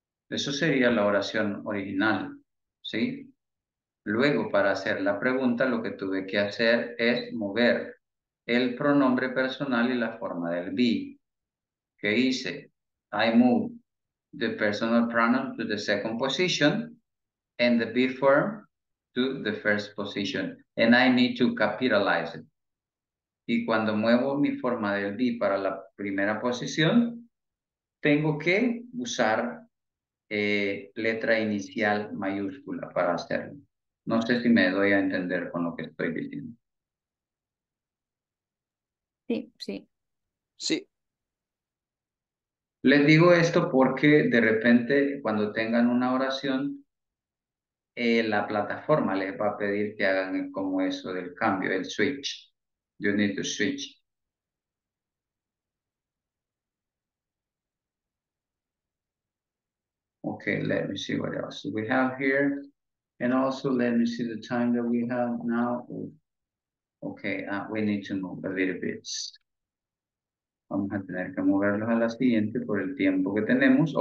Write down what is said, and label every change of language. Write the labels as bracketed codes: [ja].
[es] Eso sería la oración original, ¿sí? Luego, para hacer la pregunta, lo que tuve que hacer es mover el pronombre personal y la forma del be. ¿Qué hice? [en] I move the personal pronoun to the second position and the be form to the first position. And I need to capitalize it. [es] Y cuando muevo mi forma del be para la primera posición, tengo que usar letra inicial mayúscula para hacerlo. No sé si me doy a entender con lo que estoy diciendo. Sí, sí. Sí. Les digo esto porque de repente cuando tengan una oración, la plataforma les va a pedir que hagan como eso del cambio, el switch. [en] You need to switch. Okay, let me see what else we have here. And also let me see the time that we have now. Okay, we need to move a little bit. [es] Vamos a tener que moverlos a la siguiente por el tiempo que tenemos.